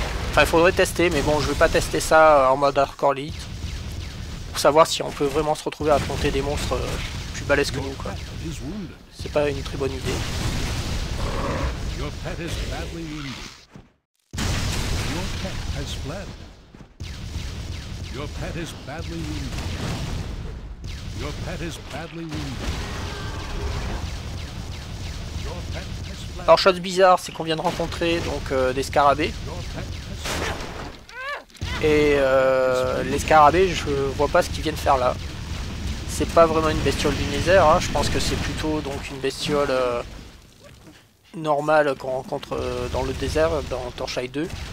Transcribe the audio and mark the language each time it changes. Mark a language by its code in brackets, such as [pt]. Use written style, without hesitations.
[fr] Enfin, il faudrait tester, mais bon, je vais pas tester ça en mode hardcore lead. Pour savoir si on peut vraiment se retrouver à affronter des monstres plus balèzes que nous, quoi. C'est pas une très bonne idée. [en] Your pet is badly wounded. Your pet has fled. Your pet is badly wounded. Your pet is badly wounded. Your pet has fled. [fr] Alors chose bizarre, c'est qu'on vient de rencontrer donc des scarabées. Et les scarabées, je vois pas ce qu'ils viennent faire là. C'est pas vraiment une bestiole du nether, hein. Je pense que c'est plutôt donc une bestiole normale qu'on rencontre dans le désert, dans Torchlight 2.